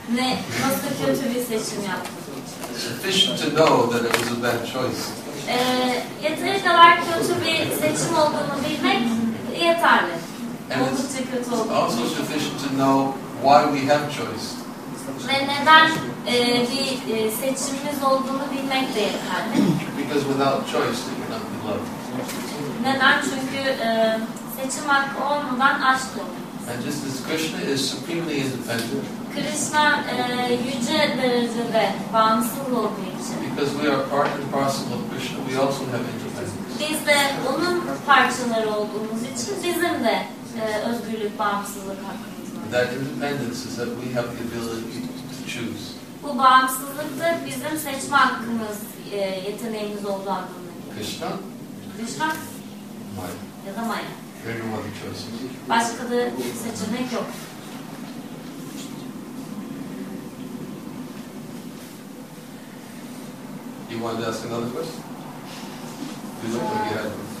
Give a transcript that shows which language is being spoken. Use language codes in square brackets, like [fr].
[tr] Ne, nasıl kötü bir seçim yaptım? [en] Sufficient to know that it was a bad choice. [tr] Yeteri kadar kötü bir seçim olduğunu bilmek yeterli. Oldukça kötü olduğunu. [en] Also sufficient to know why we have choice. [tr] Ve neden bir seçimimiz olduğunu bilmek de yeterli. [en] Because without choice, you cannot be loved. [tr] Neden? Çünkü seçim hakkı olmadan aşk olmaz. [en] And just as Krishna is supremely independent. [tr] Krishna yüce derecede bağımsız olduğu için. [en] Because we are part and parcel of Krishna, we also have independence. [tr] Biz de onun parçaları olduğumuz için bizim de özgürlük, bağımsızlık hakkı. [en] That independence is that we have the ability to choose. [tr] Bu bağımsızlık da bizim seçme hakkımız, yeteneğimiz olduğu anlamına geliyor. Krishna? Krishna? Maya. Ya da Maya. [en] There are no other choices. [tr] Başka da seçenek yok. [en] You want to ask another question? You look like you had one.